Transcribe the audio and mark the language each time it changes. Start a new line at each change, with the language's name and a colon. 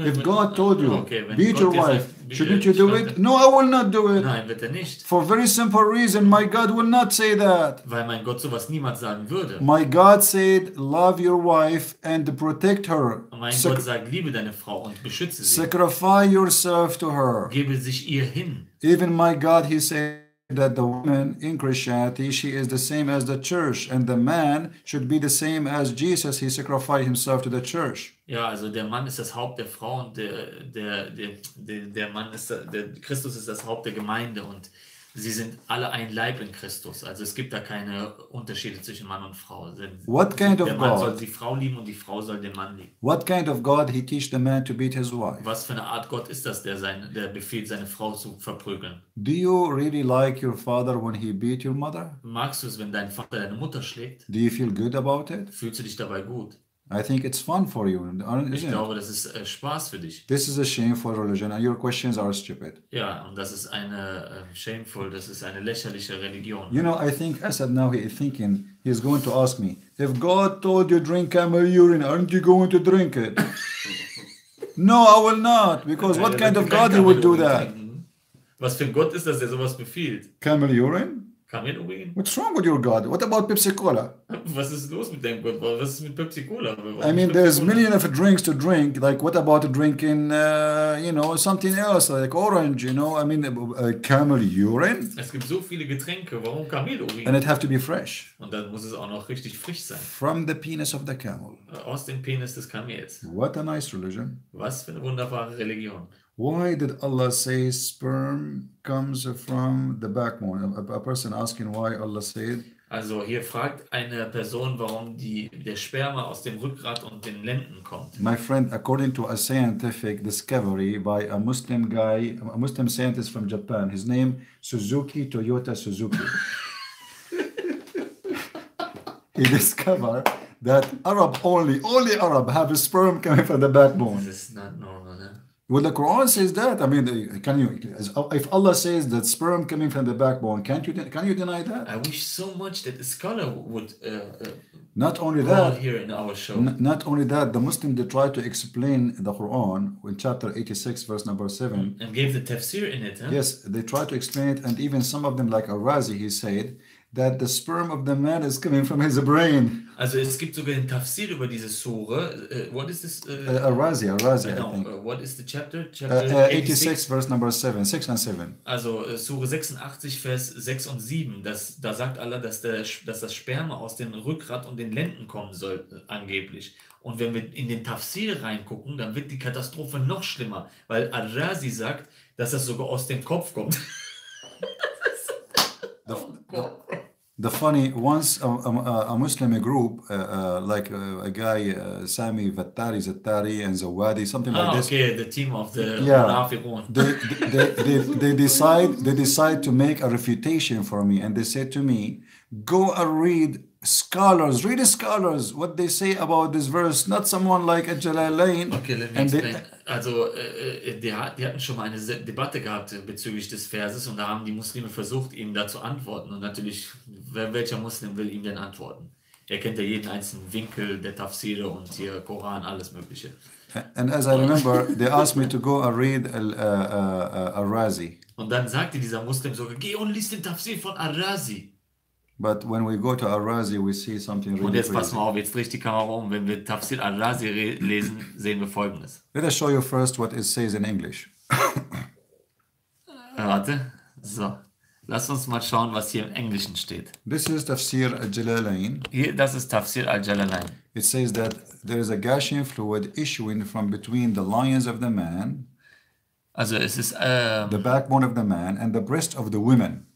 English: If God told you, beat your wife, shouldn't you do it? No, I will not do it.
German: Nein, wird nicht.
English: For a very simple reason, my God will not say that.
German: Weil mein Gott sowas niemals sagen würde.
English: My God said, love your wife and protect her.
German: Gott sagt, liebe deine Frau und beschütze sie.
English: Sacrifice yourself to her.
German: Gebe sich ihr hin.
English: Even my God, he said, that the woman in Christianity, she is the same as the church, and the man should be the same as Jesus, he sacrificed himself to the church.
German: Ja, also der Mann ist das Haupt der Frau und der Mann ist der Christus ist das Haupt der Gemeinde und sie sind alle ein Leib in Christus. Also es gibt da keine Unterschiede zwischen Mann und Frau.
English: What kind of God?
German: Der Mann soll die Frau lieben und die Frau soll den Mann lieben.
English: What kind of God he teach the man to beat his wife?
German: Was für eine Art Gott ist das, der befiehlt, seine Frau zu verprügeln?
English: Do you really like your father when he beat your mother?
German: Magst du es, wenn dein Vater deine Mutter schlägt?
English: Do you feel good about it?
German: Fühlst du dich dabei gut?
English: I think it's fun for you, isn't
German: it? Ich glaube, das ist Spaß für dich.
English: This is a shameful religion, and your questions are stupid.
German: Ja, und das ist eine shameful, das ist eine lächerliche Religion.
English: You know, I think Asad now he is thinking, he is going to ask me, if God told you drink camel urine, aren't you going to drink it? No, I will not, because what kind of God would do that?
German: Was für ein Gott ist das, der sowas befiehlt?
English: Camel urine?
German: Kamelurin.
English: What's wrong with your God? What about Pepsi Cola?
German: Was ist los mit deinem Gott? Was ist mit Pepsi Cola?
English: I mean, there's millions of drinks to drink. Like, what about drinking, you know, something else, like orange, you know? I mean, camel urine.
German: Es gibt so viele Getränke. Warum Kamelurin?
English: And it have to be fresh.
German: Und dann muss es auch noch richtig frisch sein.
English: From the penis of the camel.
German: Aus dem Penis des Kamels.
English: What a nice religion.
German: Was für eine wunderbare Religion.
English: Why did Allah say sperm comes from the backbone? A person asking why Allah said.
German: Also hier fragt eine Person, warum der Sperma aus dem Rückgrat und den Lenden kommt.
English: My friend, according to a scientific discovery by a Muslim guy, a Muslim scientist from Japan, his name Suzuki Toyota Suzuki. He discovered that Arab only Arab have a sperm coming from the backbone. This is not normal. Well, the Quran says that. I mean, if Allah says that sperm coming from the backbone, can you deny that? I wish so much that a scholar would not only that here in our show. Not only that, the Muslim they tried to explain the Quran in chapter 86, verse number 7. And gave the tafsir in it. Huh? Yes, they tried to explain it, and even some of them, like Al-Razi, he said that the sperm of the man is coming from his brain.
German: Also es gibt sogar einen Tafsir über diese Sura.
English: What is this? Arazi, I think. What is the chapter? Chapter 86, verse number 7. 6 and 7.
German: Also Sura 86, Vers 6 und 7. Da sagt Allah, dass das Sperma aus dem Rückgrat und den Lenden kommen soll, angeblich. Und wenn wir in den Tafsir reingucken, dann wird die Katastrophe noch schlimmer, weil Arazi sagt, dass das sogar aus dem Kopf kommt.
English: The funny, once a Muslim group, like a guy, Sami Vattari, Zattari, and Zawadi, something like this. Okay, the team of the Munafiqun. Yeah, they decide to make a refutation for me, and they say to me, go and read scholars, what they say about this verse, not someone like a Jalalain. Okay, let me explain.
German: Die hatten schon mal eine Debatte gehabt bezüglich des Verses und da haben die Muslime versucht, ihm da zu antworten. Und natürlich, welcher Muslim will ihm denn antworten? Er kennt ja jeden einzelnen Winkel der Tafsire und hier Koran, alles Mögliche.
English: And as I remember, they asked me to go and read Ar-Razi.
German: Und dann sagte dieser Muslim sogar, geh und lies den Tafsir von Ar-Razi.
English: But when we go to Ar-Razi, we see something really
German: Und jetzt pass mal auf, jetzt dreht die Kamera um. Wenn wir Tafsir Ar-Razi lesen, sehen wir Folgendes.
English: Let us show you first what it says in English.
German: Warte. So. Lass uns mal schauen, was hier im Englischen steht.
English: This is Tafsir Al-Jalalain.
German: Das ist Tafsir Al-Jalalain.
English: It says that there is a gashing fluid issuing from between the lions of the man.
German: Also es ist...
English: the backbone of the man and the breast of the women.